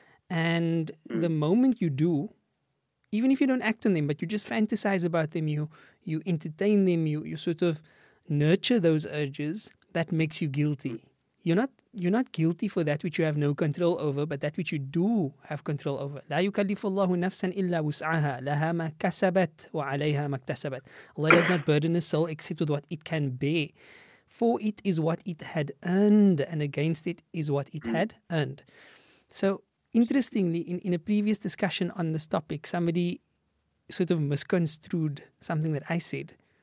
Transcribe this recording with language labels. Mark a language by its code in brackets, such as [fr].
[en] And the moment you do, even if you don't act on them, but you just fantasize about them, you entertain them, you sort of nurture those urges, that makes you guilty. You're not guilty for that which you have no control over, but that which you do have control over. [ar] لا يكلف الله نفسا إلا وسعها لها ما كسبت وعليها ما اكتسبت. [en] Allah does not burden a soul except with what it can bear. For it is what it had earned, and against it is what it had earned. So, interestingly, in a previous discussion on this topic, somebody sort of misconstrued something that I said.